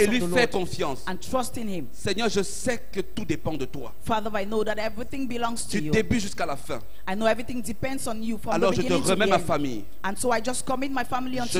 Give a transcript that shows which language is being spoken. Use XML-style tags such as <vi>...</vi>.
<en>of the Lord.</en> <fr>Et lui faire confiance.</fr> <en>And trusting him.</en> <fr>Seigneur, je sais que tout dépend de toi.</fr> <en>Father, I know that everything belongs to you.</en> <fr>Du début jusqu'à la fin.</fr> <en>I know everything depends on you from</en> <fr>alors</fr> <en>the beginning</en> <fr>je te remets</fr> <en>to the</en> <fr>ma famille.</fr> <en>And so I just commit my family unto</en>